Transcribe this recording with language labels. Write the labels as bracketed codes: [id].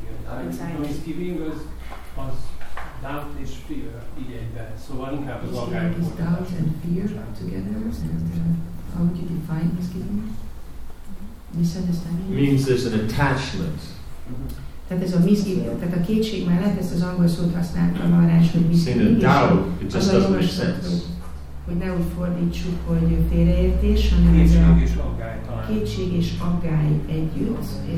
[en] Anxiety. [hu] A misgiving az doubt és fear így egyben, szóval inkább az aggályt volt. [en] Doubt and fear together, and how would you define misgiving? Misunderstanding? Means there's an attachment. [hu] Tehát ez a misgiving, tehát a kétség mellett ezt az angol szót használtam arra, hogy misgiving. [en] Saying a doubt, it just doesn't make sense. [hu] Hogy ne úgy fordítsuk, hogy félreértés, hanem kétség ez a és aggály, kétség és aggály együtt.